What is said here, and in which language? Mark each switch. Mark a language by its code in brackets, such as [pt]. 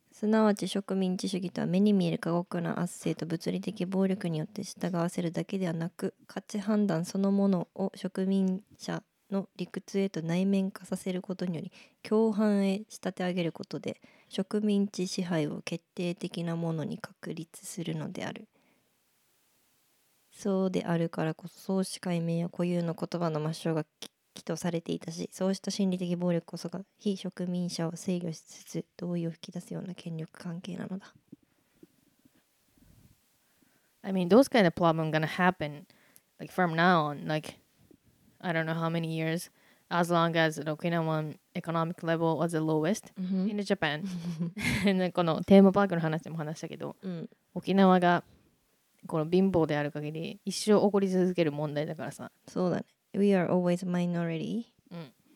[ja] すなわち植民地主義とは目に見える過酷な圧政と物理的暴力によって従わせるだけではなく、価値判断そのものを植民者の理屈へと内面化させることにより共犯へ仕立て上げることで植民地支配を決定的なものに確立するのである。そうであるからこそ創始解明や固有の言葉の抹消が起とされていたし、そうした心理的暴力こそが非植民者を制御しつつ同意を引き出すような権力関係なのだ。 [en] I mean those kind of problem gonna happen like from now on like I don't know how many years as long as the Okinawan economic level was the lowest、 mm-hmm. in Japan. [ja] このテーマパークの話も話したけど、うん、沖縄がこの貧乏である限り一生起こり続ける問題だからさ。そうだね。 [en] We are always a minority. [ja] うん。